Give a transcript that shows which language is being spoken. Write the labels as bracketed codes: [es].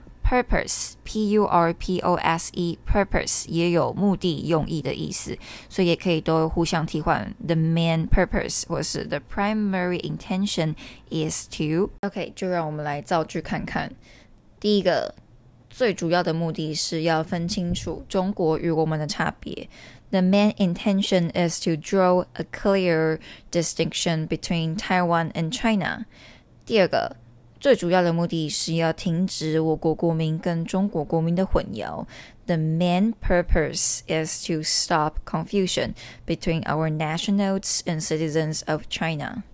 [zh] Purpose, P-U-R-P-O-S-E, purpose, 也有目的、用意的意思。所以也可以都互相替换 [en] the main purpose, [zh] 或是 [en] the primary intention is to. [zh] OK, 就让我们来造句看看。第一个，最主要的目的是要分清楚中国与我们的差别。 [en] The main intention is to draw a clear distinction between Taiwan and China. [zh] 第二个，最主要的目的是要停止我国国民跟中国国民的混淆。 [en] The main purpose is to stop confusion between our nationals and citizens of China.